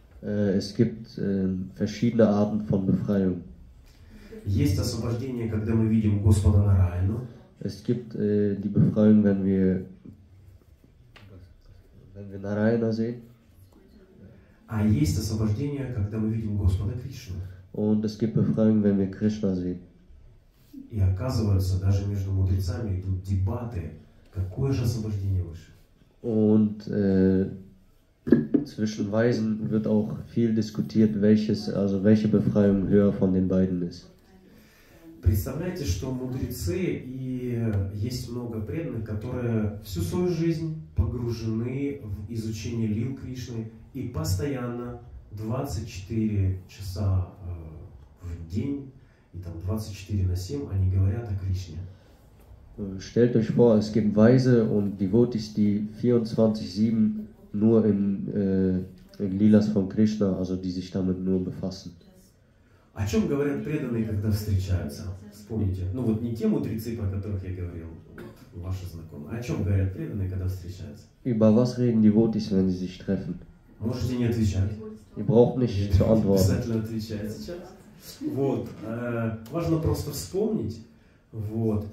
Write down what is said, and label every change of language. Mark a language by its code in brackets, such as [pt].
[de] Es gibt verschiedene Arten von Befreiung. [ru] Есть освобождение, когда мы видим Господа на Райну. [de] Es gibt die Befreiung, wenn wir на Райну sehen. [ru] А есть освобождение, когда мы видим Господа Кришну. [de] Und es gibt Befreiung, wenn wir Krishna sehen. [ru] И оказывается, даже между мудрецами идут дебаты, какое же освобождение выше. [de] Und zwischen Weisen wird auch viel diskutiert, welche Befreiung höher von den beiden ist. [ru] Представляете, что мудрецы и есть много преданных, которые всю свою жизнь погружены в изучение лил Кришны и постоянно 24 часа в день и там 24 на 7 они говорят о Кришне. [de] Stellt euch vor, es gibt Weise und Devotees, die 24/7 nur in Lilas von Krishna, also die sich damit nur befassen. [ru] О чем говорят преданные, когда встречаются? Вспомните. Ну вот не те мудрецы, про которых я говорил, ваши знакомые. О чем говорят преданные, когда встречаются? [de] Über was reden Devotees, wenn sie sich treffen? [ru] Можете не отвечать. [de] Ihr braucht nicht zu antworten. [ru] Обязательно отвечать сейчас. Вот. Важно просто вспомнить. Вот.